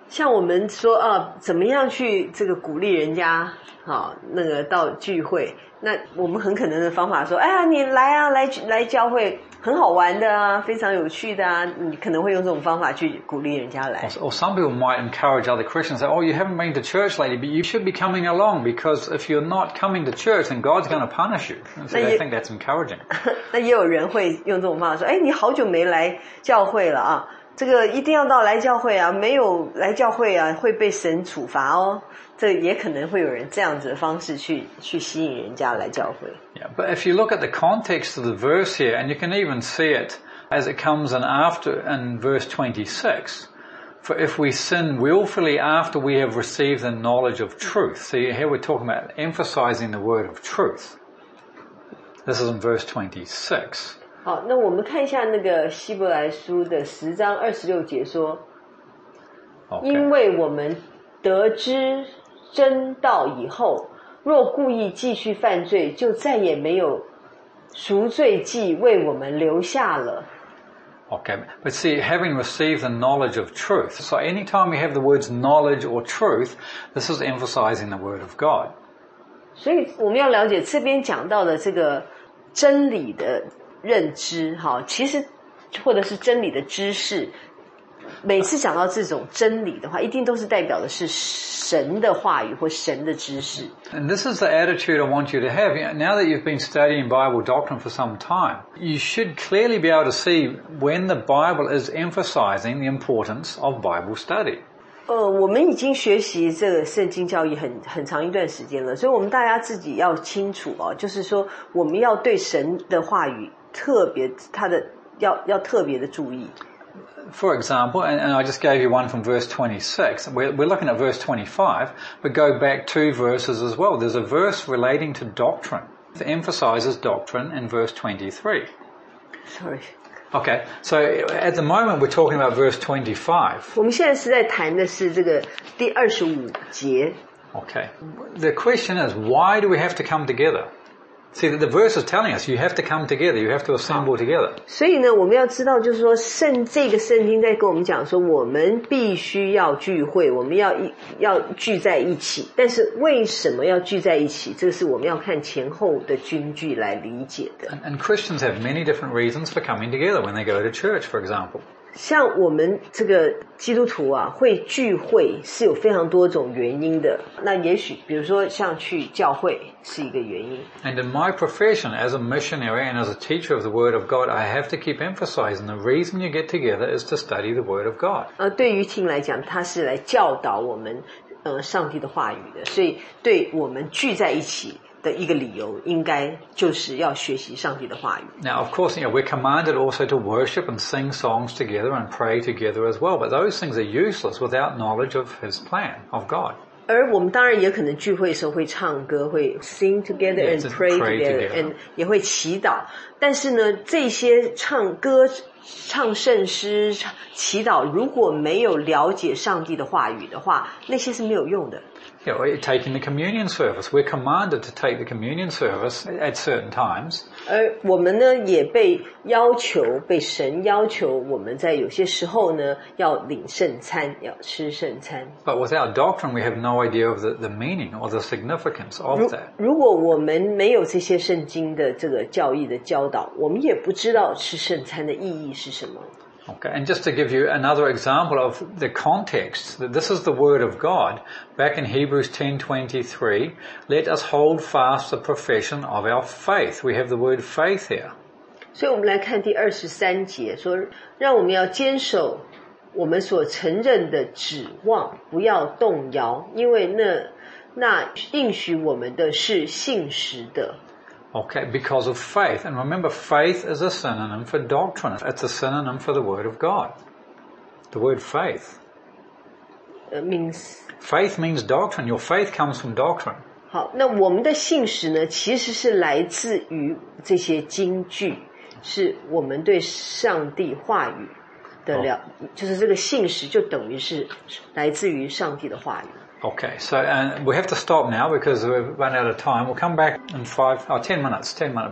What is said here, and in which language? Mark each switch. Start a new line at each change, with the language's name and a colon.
Chinese: 像我们说啊，怎么样去这个鼓励人家啊，那个到聚会，那我们很可能的方法说，哎呀，你来啊，来教会，很好玩的啊，非常有趣的啊，你可能会用这种方法去鼓励人家来。
English: Or some people might encourage other Christians, say, oh, you haven't been to church lately, but you should be coming along, because if you're not coming to church, then God's going to punish you. So they think that's encouraging.
Chinese: 那也有人会用这种方法说，哎，你好久没来教会了啊，这个一定要到来教会啊，没有来教会啊，会被神处罚哦。这也可能会有人这样子的方式去吸引人家来教会。
English: Yeah, but if you look at the context of the verse here, and you can even see it as it comes in after in verse 26, for if we sin willfully after we have received the knowledge of truth. So here we're talking about emphasizing the word of truth. This is in verse 26.
Chinese: 好，那我们看一下那个希伯来书的十章二十六节说、 okay. 因为我们得知真道以后，若故意继续犯罪，就再也没有赎罪祭为我们留下了。
English: Okay, but see, having received the knowledge of truth, so anytime we have the words knowledge or truth, this is emphasizing the word of God.
Chinese: 所以我们要了解这边讲到的这个真理的认知，其实或者是真理的知识，每次讲到这种真理的话，一定都是代表的是神的话语或神的知识。
English: And this is the attitude I want you to have. Now that you've been studying Bible doctrine for some time, you should clearly be able to see when the Bible is emphasizing the importance of Bible study.
Chinese: 我们已经学习这个圣经教义很长一段时间了，所以我们大家自己要清楚哦，就是说我们要对神的话语特别他的要特别的注意。
English: For example, and I just gave you one from verse 26. We're looking at verse 25, but go back two verses as well. There's a verse relating to doctrine that emphasizes doctrine in verse 23. Sorry. Okay, so at the moment we're talking about verse 25.
Chinese: 我们现在是在谈的是这个第二十五节。 Okay.
English: The question is, why do we have to come together? See, the verse is telling us, you have to come together, you have to assemble together.
Chinese: 所以呢我们要知道就是说圣这个圣经在跟我们讲说我们必须要聚会，我们要聚在一起。但是为什么要聚在一起，这是我们要看前后的经句来理解的。
English: And Christians have many different reasons for coming together when they go to church, for example.
Chinese: 像我们这个基督徒啊会聚会是有非常多种原因的。那也许比如说像去教会。是一个原因。
English: And in my profession, as a missionary and as a teacher of the Word of God, I have to keep emphasizing the reason you get together is to study the Word of God.
Chinese: 对于Tim来讲，他是来教导我们，上帝的话语的。所以对我们聚在一起的一个理由，应该就是要学习上帝的话语。
English: Now, of course, you know, we're commanded also to worship and sing songs together and pray together as well, but those things are useless without knowledge of His plan, of God.
Chinese: 而我们当然也可能聚会的时候会唱歌会
English: sing together and pray together and
Chinese: 也会祈祷但是呢这些唱歌唱圣诗祈祷如果没有了解上帝的话语的话那些是没有用的
English: you know, taking the communion service we're commanded to take the communion service at certain times
Chinese: 而我们呢也被要求被神要求我们在有些时候呢要领圣餐要吃圣餐
English: but without doctrine we have no idea of the meaning or the significance of that
Chinese: 如果我们没有这些圣经的这个教义的教导我们也不知道吃圣餐的意义
English: Okay, and just to give you another example of the context, that this is the word of God, back in Hebrews 10:23, let us hold fast the profession of our faith. We have the word faith here.
Chinese: 所以我们来看第二十三节，说让我们要坚守我们所承认的指望，不要动摇，因为那应许我们的是信实的。
English: Okay, because of faith. And remember, faith is a synonym for doctrine. It's a synonym for the word of God. The word faith. Faith means doctrine. Your faith comes from doctrine.
Chinese: 好，那我们的信实呢，其实是来自于这些经句，是我们对上帝话语的了，就是这个信实就等于是来自于上帝的话语。
English: Okay, so we have to stop now because we've run out of time. We'll come back in 10 minutes break.